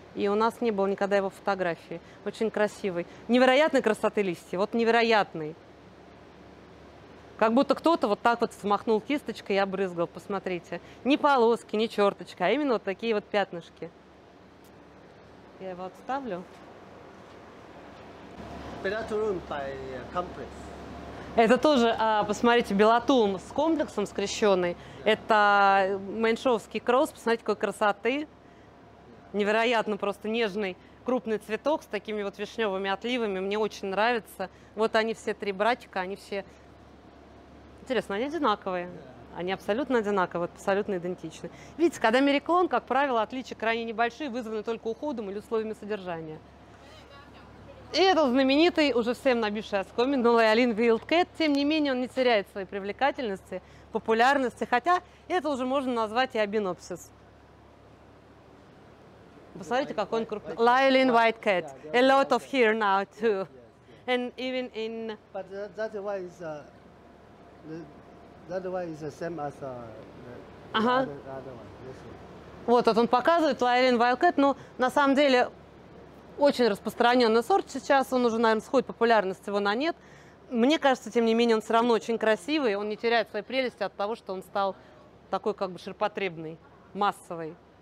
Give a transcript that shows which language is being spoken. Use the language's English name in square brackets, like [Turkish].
[Russian] И у нас не было никогда его фотографии. Очень красивый. Невероятной красоты листья. Вот невероятный. Как будто кто-то вот так вот смахнул кисточкой и обрызгал, посмотрите. Не полоски, не черточка, а именно вот такие вот пятнышки. Я его отставлю. Белатурум by Complex. Это тоже, посмотрите, белатурум с комплексом скрещенный. Это меньшовский кросс, посмотрите, какой красоты. Невероятно просто нежный крупный цветок с такими вот вишневыми отливами. Мне очень нравится. Вот они все три братика, они все... Интересно, они одинаковые? Они абсолютно одинаковые, абсолютно идентичны. Видите, когда мериклон, как правило, отличия крайне небольшие, вызваны только уходом или условиями содержания. И этот знаменитый, уже всем набивший оскомину, Лоялин Вилдкэт, тем не менее, он не теряет своей привлекательности, популярности, хотя это уже можно назвать и абинопсис. Посмотрите, какой он крупный. [English] Лоялин Вайткэт. A lot of here now, too. And even in... But that one is... That one is the same as the other one. [Russian] Вот, он показывает Лоялин Вайткэт, но на самом деле... Очень распространенный сорт сейчас, он уже, наверное, сходит, популярность его на нет. Мне кажется, тем не менее, он все равно очень красивый, он не теряет своей прелести от того, что он стал такой как бы ширпотребный, массовый.